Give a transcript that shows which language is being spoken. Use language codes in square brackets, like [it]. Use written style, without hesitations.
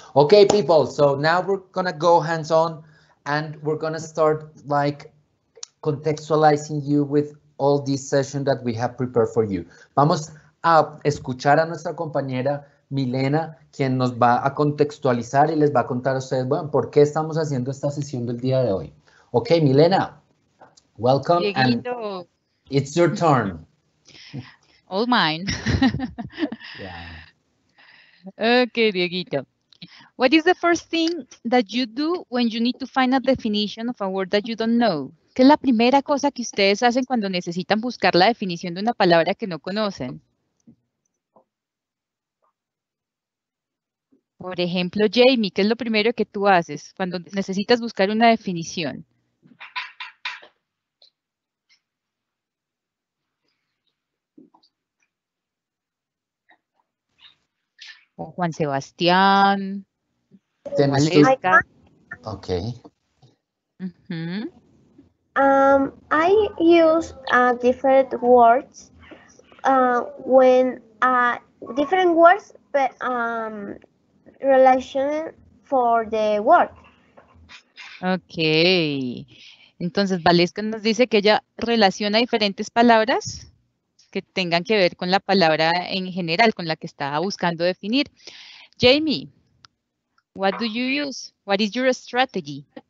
[en] Okay, people, so now we're gonna go hands-on and we're gonna start like contextualizing you with all this session that we have prepared for you. [es] Vamos a escuchar a nuestra compañera Milena, quien nos va a contextualizar y les va a contar a ustedes, bueno, por qué estamos haciendo esta sesión del día de hoy. [en] Ok, Milena, welcome. And it's your turn. All mine. Yeah. Ok, Dieguito. What is the first thing that you do when you need to find a definition of a word that you don't know? [es] ¿Qué es la primera cosa que ustedes hacen cuando necesitan buscar la definición de una palabra que no conocen? Por ejemplo, Jamie, ¿qué es lo primero que tú haces cuando necesitas buscar una definición? O Juan Sebastián. ¿Tienes tú? Ok. [en] I use different words when different words, but relation for the word. Ok. [es] Entonces, Valesca nos dice que ella relaciona diferentes palabras que tengan que ver con la palabra en general con la que estaba buscando definir. [en] Jamie, what do you use? What is your strategy?